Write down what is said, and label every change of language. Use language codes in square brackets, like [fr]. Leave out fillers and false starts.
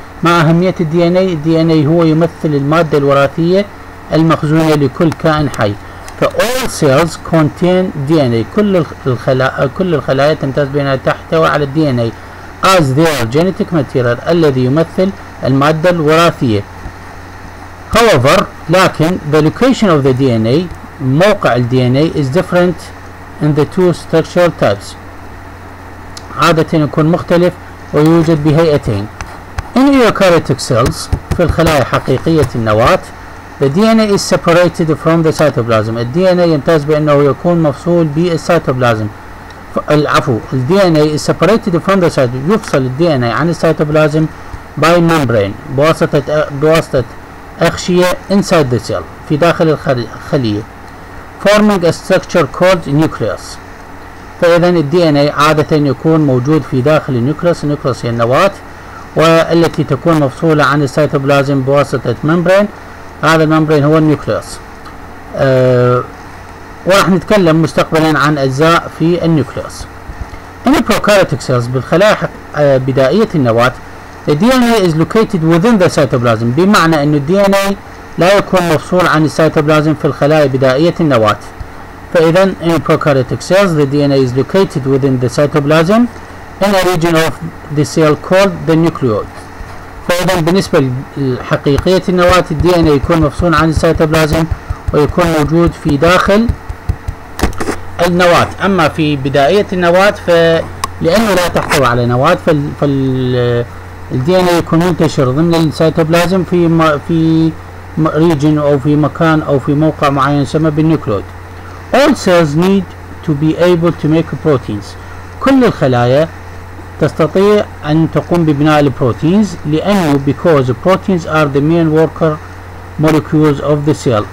[ar] ما أهمية الـ DNA؟ الـ DNA هو يمثل المادة الوراثية المخزونة لكل كائن حي. ف [en] all cells contain DNA، [ar] كل الخلايا تمتاز بأنها تحتوي على DNA [en] as their genetic material [ar] الذي يمثل المادة الوراثية. [en] However، لكن the location of the DNA، [ar] موقع الDNA [en] is different in the two structural types. [ar] عادة يكون مختلف ويوجد بهيئتين. [en] In eukaryotic cells, [ar] في الخلايا حقيقية النواة, [en] the DNA is separated from the cytoplasm. [ar] The DNA يمتاز بأنه يكون مفصول بالcytoplasm. [en] العفو, the DNA is separated from the cytoplasm. [ar] يفصل الـ DNA عن [en] cytoplasm by membrane. [ar] بواسطة أغشية [en] inside the cell, [ar] في داخل الخلية. [en] Forming a structure called nucleus. [ar] فإذا الـ DNA عادة يكون موجود في داخل النيوكليوس. النيوكليوس هي النواة والتي تكون مفصولة عن السيتوبلازم بواسطة ممبرين. هذا الممبرين هو النيوكليوس. وراح نتكلم مستقبلا عن أجزاء في النيوكليوس. [en] In the prokaryotic cells, [ar] بالخلايا بدائية النواة, [en] the DNA is located within the cytoplasm. [ar] بمعنى أن الـ DNA لا يكون مفصول عن السيتوبلازم في الخلايا بدائية النواة. [en] فإذا in prokaryotic cells the DNA is located within the cytoplasm in a region of the cell called the nucleoid. [ar] فإذا بالنسبة لحقيقية النواة الـ DNA يكون مفصول عن السيتوبلازم ويكون موجود في داخل النواة. أما في بدائية النواة فلأنه لا تحتوي على نواة فالـ DNA يكون منتشر ضمن السيتوبلازم في region أو في مكان أو في موقع معين يسمى بالنيوكليوت. [en] All cells need to be able to make proteins. [ar] كل الخلايا تستطيع أن تقوم ببناء البروتينز لأنه [en] because proteins are the main worker molecules of the cell.